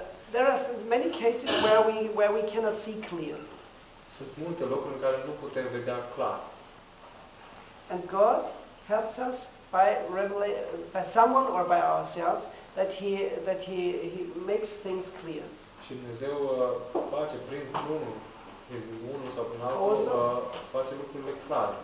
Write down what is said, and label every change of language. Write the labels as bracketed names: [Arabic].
[English] There are many cases where we cannot see clear. [Romanian] Sunt multe locuri în care nu putem vedea clar. [English] And God helps us by someone or by ourselves that he makes things clear. [Romanian] Și Dumnezeu face prin unul sau prin altul, also, face lucrurile clare.